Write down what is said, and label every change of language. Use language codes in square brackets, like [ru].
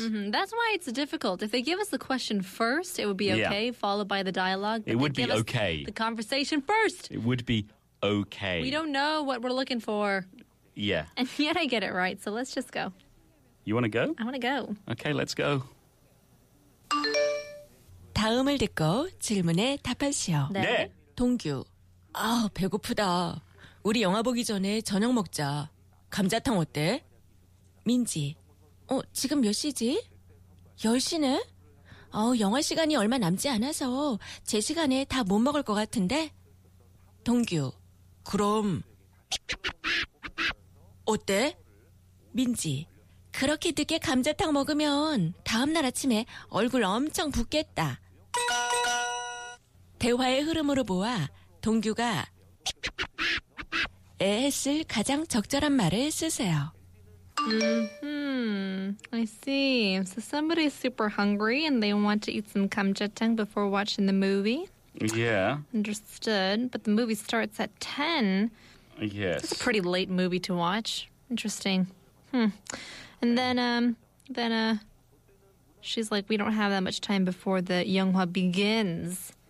[en] Mm-hmm. That's why it's difficult. If they give us the question first, it would be okay, followed by the dialogue. But it would be okay. The conversation first. It would be okay. We don't know what we're looking for. Yeah. And yet I get it right, so let's just go. You want to go? I want to go. Okay, let's go. [ko] 다음을 듣고 질문에 답하시오. 네. 동규. 아, 배고프다. 우리 영화 보기 전에 저녁 먹자. 감자탕 어때? 민지. 어, 지금 몇 시지? 10시네? 어, 영화 시간이 얼마 남지 않아서 제 시간에 다 못 먹을 것 같은데? 동규. 그럼. 어때? 민지. 그렇게 늦게 감자탕 먹으면 다음날 아침에 얼굴 엄청 붓겠다. 대화의 흐름으로 보아 동규가 에 했을 가장 적절한 말을 쓰세요. [en] I see. So somebody is super hungry and they want to eat some gamjatang before watching the movie. Yeah. Understood. But the movie starts at 10. Yes. It's a pretty late movie to watch. Interesting. And then she's like, we don't have that much time before the Yonghwa begins.